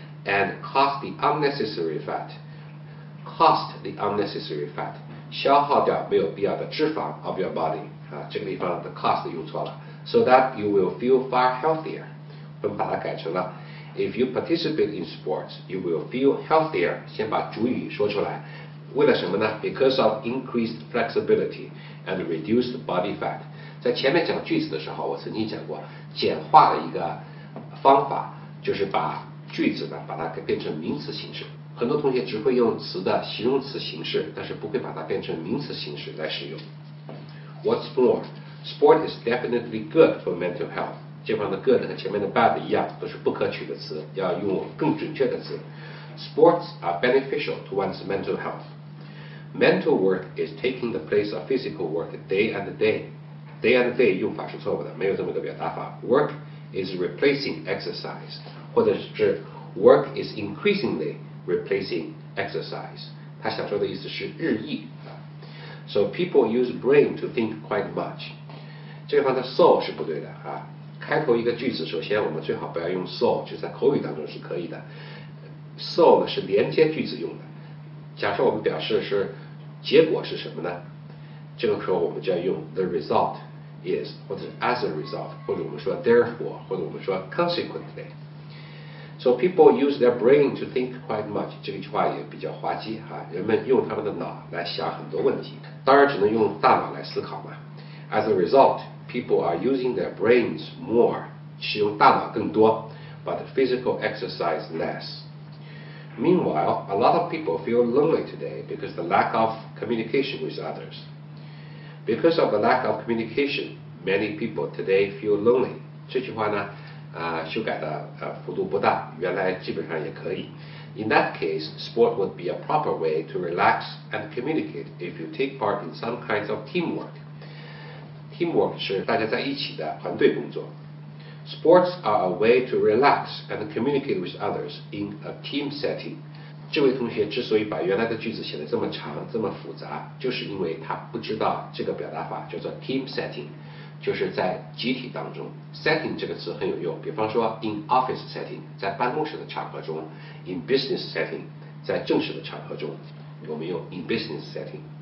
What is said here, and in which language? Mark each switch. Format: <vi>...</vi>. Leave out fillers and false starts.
<en>And cost the unnecessary fat. Cost the unnecessary fat.</en> <zh>消耗掉没有必要的脂肪</zh> <en>of your body.</en> <zh>这个地方的</zh> <en>cost</en> <zh>用错了，</zh> <en>so that you will feel far healthier.</en> <zh>我们把它改成了</zh> <en>if you participate in sports, you will feel healthier.</en> <zh>先把主语说出来，为了什么呢？</zh> <en>Because of increased flexibility and reduced body fat.</en> <zh>在前面讲句子的时候，我曾经讲过简化的一个方法，就是把句子呢把它给变成名词形式。很多同学只会用词的形容词形式，但是不会把它变成名词形式来使用。</zh> <en>What's more, sport is definitely good for mental health.</en> <zh>这方的 good 和前面的 bad 一样，都是不可取的词，要用更准确的词。</zh> <en>Sports are beneficial to one's mental health. Mental work is taking the place of physical work day and day. Day and day</en> <zh>用法是错误的，没有这么个表达法。</zh> <en>Work is replacing exercise,</en> <zh>或者是</zh> <en>work is increasingly replacing exercise.</en> <zh>他想说的意思是日益。</zh> <en>So people use brain to think quite much.</en> <zh>这方的 so 是不对的啊。开头一个句子，首先我们最好不要用 so， 就在口语当中是可以的。 So 呢是连接句子用的。假设我们表示是结果是什么呢？这个时候我们就要用</zh> <en>the result is，</en> <zh>或者是</zh> <en>as a result，</en> <zh>或者我们说 therefore， 或者我们说 consequently。</zh> <en>So people use their brain to think quite much.</en> <zh>这句话也比较滑稽哈，人们用他们的脑来想很多问题，当然只能用大脑来思考嘛。</zh> <en>As a result, people are using their brains more,</en> <zh>使用大脑更多，</zh> <en>but physical exercise less. Meanwhile, a lot of people feel lonely today because of the lack of communication with others. Because of the lack of communication, many people today feel lonely.</en> <zh>这句话呢修改的幅度不大，原来基本上也可以。</zh> <en>In that case, sport would be a proper way to relax and communicate if you take part in some kinds of teamwork.</en> <zh>Teamwork 是大家在一起的团队工作。</zh> <en>Sports are a way to relax and communicate with others in a team setting.</en> <zh>这位同学之所以把原来的句子写得这么长这么复杂，就是因为他不知道这个表达法叫做 team setting，就是在集体当中。 setting 这个词很有用，比方说</zh> <en>in office setting</en> <zh>在办公室的场合中，</zh> <en>in business setting</en> <zh>在正式的场合中，我们用 in business setting。</zh>